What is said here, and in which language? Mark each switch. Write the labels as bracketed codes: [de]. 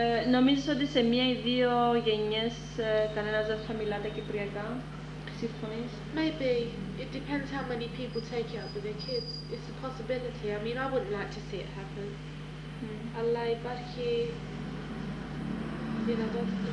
[el] Νομίζεις ότι σε μία ή δύο γενιές κανένας δεν θα μιλάτε κυπριακά? Συμφωνείς? [en] Maybe. It depends how many people take it up with their kids. It's a possibility. I mean, I wouldn't like to see it happen. [el] Αλλά υπάρχει δυνατότητα